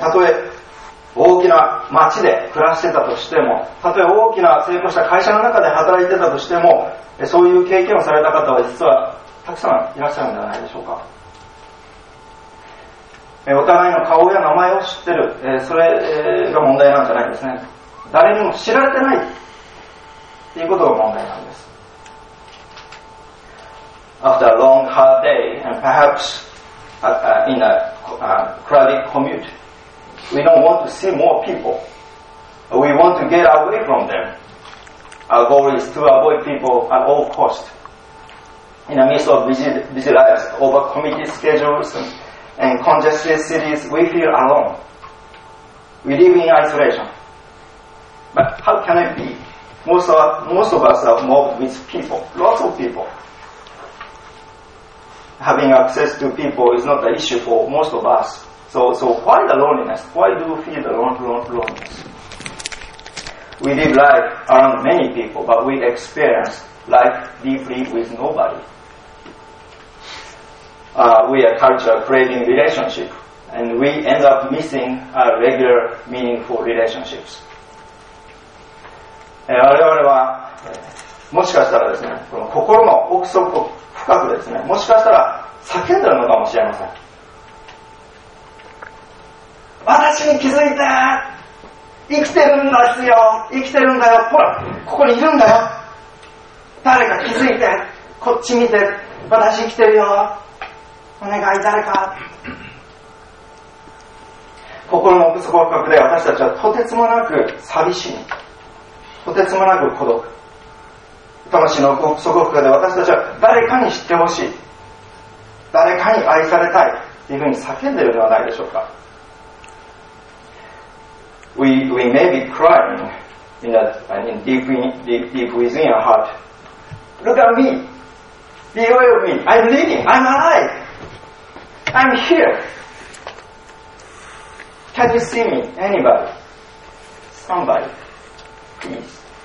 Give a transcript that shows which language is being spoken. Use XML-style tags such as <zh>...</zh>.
<ja>たとえ大きな町で暮らしてたとしても、たとえ大きな成功した会社の中で働いてたとしても、そういう経験をされた方は実はたくさんいらっしゃるんではないでしょうか。お互いの顔や名前を知ってる、それが問題なんじゃないですね。誰にも知られてないっていうことが問題なんです。</ja> <en>After a long hard day and perhaps in a crowded commute, we don't want to see more people. We want to get away from them. Our goal is to avoid people at all costs. In the midst of busy lives, over committed schedules and congested cities, we feel alone. We live in isolation. But how can it be? Most of us are mobbed with people, lots of people. Having access to people is not an issue for most of us. So why the loneliness? Why do we feel the loneliness? We live life around many people, but we experience life deeply with nobody. We are culture craving relationship, and we end up missing our regular meaningful relationships.</en> <ja>我々はもしかしたらですね、この心の奥底深くですね、もしかしたら叫んでるのかもしれません。私に気づいて、生きてるんですよ、生きてるんだよ、ほらここにいるんだよ、誰か気づいて、こっち見て、私生きてるよ、お願い誰か。心の奥底深くで私たちはとてつもなく寂しい、とてつもなく孤独、魂の奥底深くで私たちは誰かに知ってほしい、誰かに愛されたい、というふうに叫んでいるではないでしょうか。</ja> <en>We may be crying deep within our heart. Look at me. Beware of me. I'm living. I'm alive. I'm here. Can you see me? Anybody? Somebody? Please.</en>